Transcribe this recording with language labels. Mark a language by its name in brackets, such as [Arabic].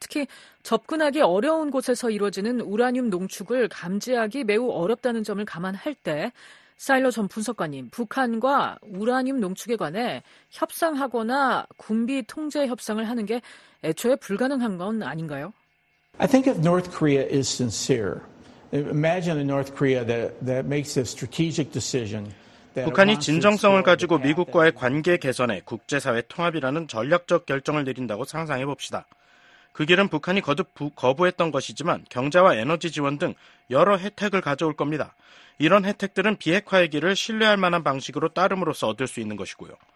[Korean] 특히 접근하기 어려운 곳에서 이루어지는 우라늄 농축을 감지하기 매우 어렵다는 점을 감안할 때 사일러 전 분석관님, 북한과 우라늄 농축에 관해 협상하거나 군비 통제 협상을 하는 게 애초에 불가능한 건 아닌가요? [English] I think if North Korea is sincere, imagine a North Korea that makes a strategic decision. [Korean] 북한이 진정성을 가지고 미국과의 관계 개선에 국제사회 통합이라는 전략적 결정을 내린다고 상상해 봅시다. 그 길은 북한이 거듭 거부했던 것이지만 경제와 에너지 지원 등 여러 혜택을 가져올 겁니다. 이런 혜택들은 비핵화의 길을 신뢰할 만한 방식으로 따름으로써 얻을 수 있는 것이고요.